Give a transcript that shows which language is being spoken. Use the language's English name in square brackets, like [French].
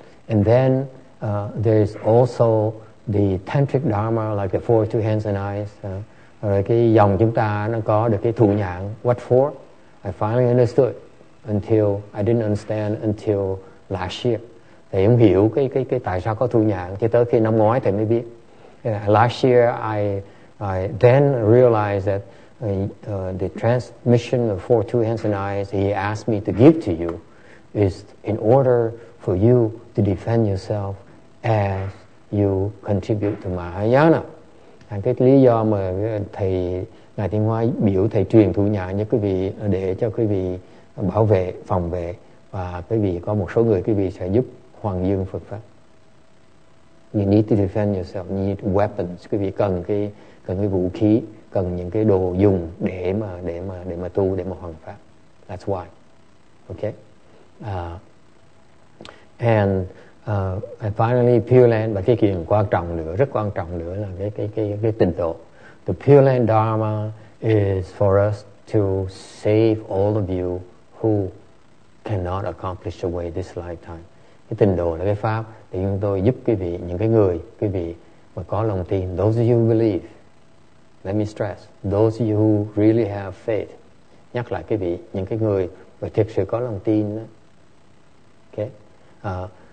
[English] And then there is also the tantric dharma like the 42 hands and eyes. [Vietnamese] Rồi cái dòng chúng ta nó có được cái Thủ Nhãn. [English] What for? I finally understood. I didn't understand until last year. [Vietnamese] Thầy không hiểu cái tại sao có Thủ Nhãn cho tới khi năm ngoái thầy mới biết. [English] Last year I then realized that the transmission of 42 hands and eyes he asked me to give to you is in order for you to defend yourself as you contribute to Mahayana. [Vietnamese] À, cái lý do mà thầy Ngài Thiên Hoa biểu thầy truyền thụ nhà cho quý vị để cho quý vị bảo vệ, phòng vệ, và quý vị có một số người quý vị sẽ giúp hoằng dương Phật pháp. [English] You need to defend yourself, you need weapons. [Vietnamese] Quý vị cần cái vũ khí, cần những cái đồ dùng để mà tu, để mà hoằng pháp. [English] That's why. Okay. And finally, Pure Land, [Vietnamese] và cái kiện quan trọng nữa, rất quan trọng nữa là cái tịnh độ. [English] The Pure Land Dharma is for us to save all of you who cannot accomplish the way this lifetime. [Vietnamese] Cái tịnh độ là cái pháp để chúng tôi giúp quý vị, những cái người, quý vị mà có lòng tin. [English] Those of you who believe, let me stress, those of you who really have faith, [Vietnamese] nhắc lại quý vị, những cái người mà thực sự có lòng tin đó. [English] Okay.